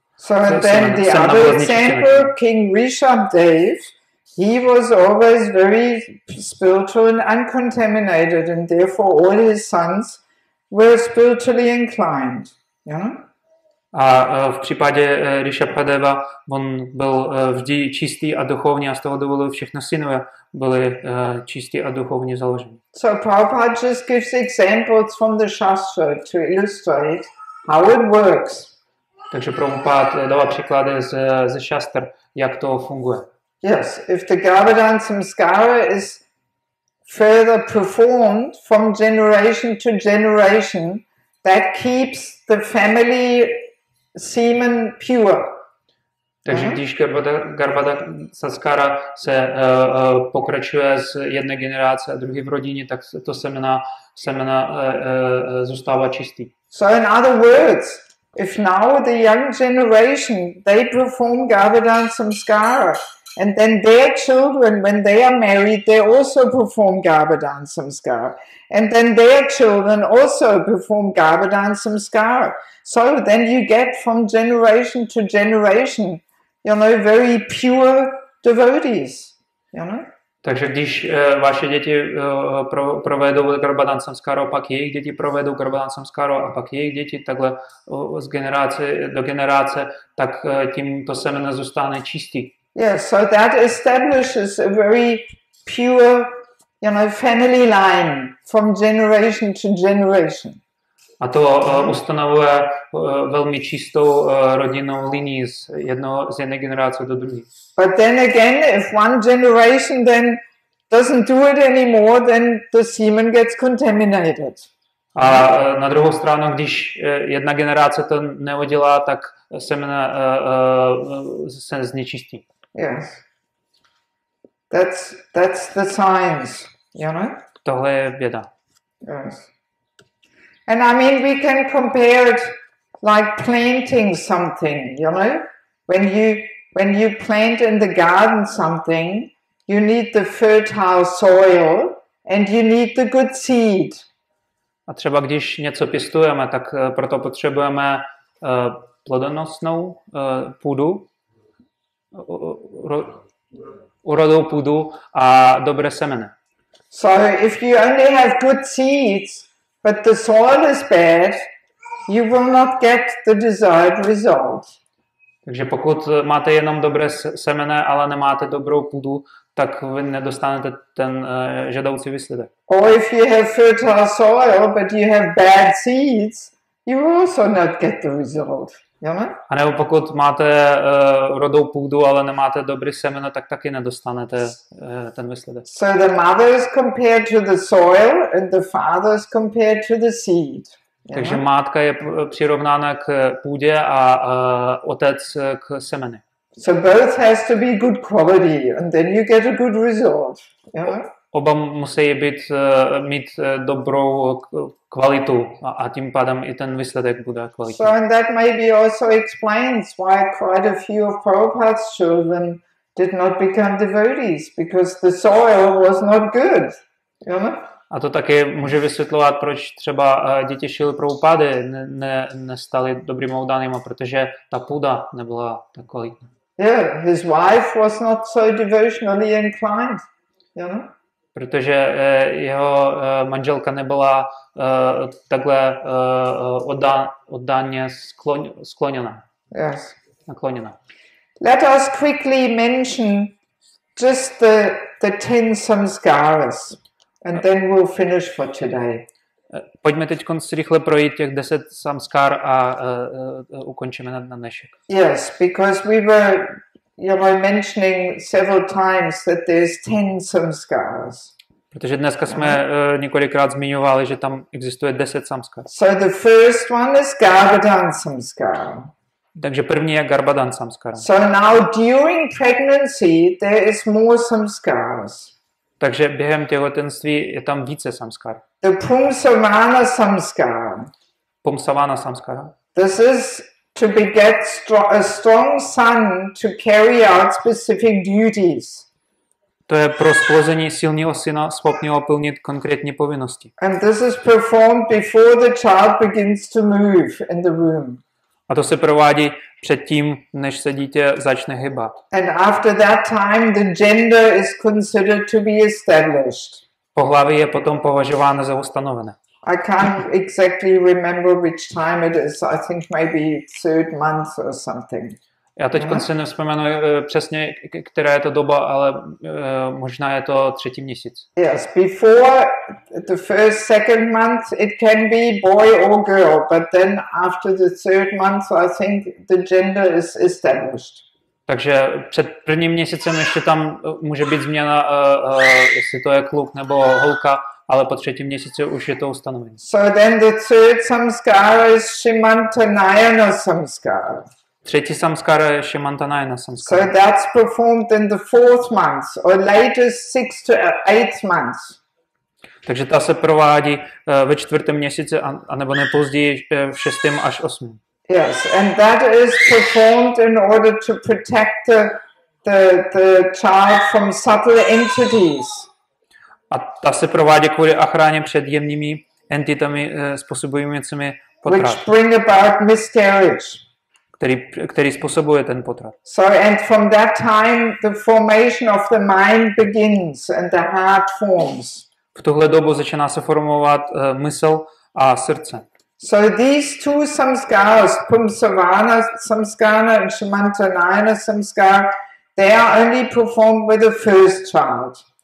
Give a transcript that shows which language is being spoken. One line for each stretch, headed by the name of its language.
English: So then the other example, King Rishabdev, he was always very spiritual and uncontaminated, and therefore all his sons were spiritually inclined.
Czech: A v případě Rishabhadeva, on byl vždy čistý a duchovně, a z toho důvodu všechno synové byly čistý a duchovně založeny.
English: So Prabhupada just gives examples from the Shastra to illustrate how it works.
Czech: Takže Prabhupada dává příklady ze Shastr, jak to funguje.
English: Yes, if the Gavadan Samskara is further performed from generation to generation, that keeps the family semen pure.
Czech: Takže když Garbhada Samskara se pokračuje z jedné generace a druhé v rodině, tak to semena zůstává čistý.
English: So in other words, if now the young generation, they perform Garbhada Samskara, and then their children, when they are married, they also perform Garbhadan Samskara. And then their children also perform Garbhadan Samskara. So then you get from generation to generation, you know, very pure devotees, you know.
Czech: Takže když vaše děti provedou Garbhadan Samskara, pak jejich děti provedou Garbhadan Samskara, a pak jejich děti takhle z generace do generace, tak tím to semeno zůstane čistý.
English: Yes, so that establishes a very pure, you know, family line from generation to generation.
Czech: A to ustanovuje velmi čistou rodinnou linii z jedné generace do druhé.
English: But then again, if one generation then doesn't do it anymore, then the semen gets contaminated.
Czech: A na druhou stranu, když jedna generace to neudělá, tak semena se znečistí.
English: Yes, that's the science, you know.
Czech: Tohle je věda.
English: Yes, and I mean we can compare it like planting something, you know. When you plant in the garden something, you need the fertile soil and you need the good seed.
Czech: A třeba když něco pěstujeme, tak proto potřebujeme plodonosnou půdu. Urodou půdu a dobré semena.
English: So if you only have good seeds but the soil is bad, you will not get the desired result.
Czech: Takže pokud máte jenom dobré semena, ale nemáte dobrou půdu, tak vy nedostanete ten žádoucí výsledek.
English: Or if you have fertile soil but you have bad seeds, you will also not get the result.
Czech: A nebo pokud máte rodou půdu, ale nemáte dobrý semeno, tak taky nedostanete ten výsledek.
English: So the mother is compared to the soil and the father is compared to the seed.
Czech: Takže matka je přirovnána k půdě a otec k semeny.
English: So both has to be good quality and then you get a good result.
Czech: Oba musí být mít dobrou kvalitu a tím pádem i ten výsledek bude kvalitní.
English: So and that maybe also explains why quite a few of Prabhupada's children did not become devotees, because the soil was not good.
Czech: A to taky může vysvětlovat, proč třeba děti Šíly Prabhupády nestali dobrým oddanými, protože ta půda nebyla tak kvalitní.
English: Yeah, his wife was not so devotionally inclined.
Czech: Protože jeho manželka nebyla takhle oddaně skloněna.
English: Yes.
Czech: Nakloněna.
English: Let us quickly mention just the 10 samskaras and then we'll finish for today.
Czech: Pojďme teď rychle projít těch 10 samskar a ukončíme na dnešek.
English: Yes, because we were mentioning several times that there's 10 samskaras.
Czech: Protože dneska jsme několikrát zmiňovali, že tam existuje 10 samskar.
English: So the first one is Garbhadhan samskar.
Czech: Takže první je Garbhadhan samskar.
English: So now during pregnancy there is more samskaras.
Czech: Takže během těhotenství je tam více samskar.
English: The Pumsavana samskar.
Czech: Pumsavana samskar.
English: This is to beget a strong son to carry out specific duties.
Czech: To je pro splození silného syna schopného plnit konkrétní povinnosti.
English: And this is performed before the child begins to move in the room.
Czech: A to se provádí před tím, než se dítě začne hýbat.
English: And after that time the gender is considered to be established.
Czech: Pohlaví je potom považováno za ustanovené.
English: I can't exactly remember which time it is. I think maybe third month or something.
Czech: Já teď si nevzpomenu přesně, která je to doba, ale možná je to třetí měsíc.
English: Yes, before the first, second month, it can be boy or girl, but then after the third month, I think the gender is established.
Czech: Takže před prvním měsícem ještě tam může být změna, jestli to je kluk nebo holka, ale po třetím měsíci už je to ustanovené.
English: So then the third samskara is Shimantanayana samskara.
Czech: Třetí samskara je Shimantanayana samskara.
English: So that's performed in the fourth month or latest 6 to 8 months.
Czech: Takže ta se provádí ve čtvrtém měsíci a nebo nejpozději v 6. až 8.
English: Yes, and that is performed in order to protect the child from subtle entities.
Czech: A ta se provádí kvůli ochraně před jemnými entitami způsobujícími potrat.
English: Which bring about miscarriage.
Czech: Který způsobuje ten potrat.
English: So and from that time the formation of the mind begins and the heart forms.
Czech: V tuhle dobu začíná se formovat mysl a srdce.
English: So these two samskaras, Pumsavana samskara and Shimantanayana samskara, they are only performed with the first child.